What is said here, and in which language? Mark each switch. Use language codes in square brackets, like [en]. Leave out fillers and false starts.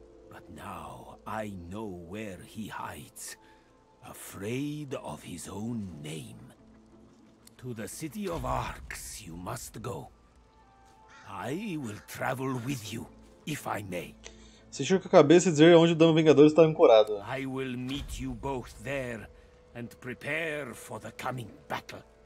[en] But now I know where he hides, afraid of his own name. To the city of Arcs you must go. I will travel with you, if I may. [pt] Se chuca a cabeça e dizer onde o Dano Vingador está ancorado. [en] I will meet you both there and prepare for the coming battle.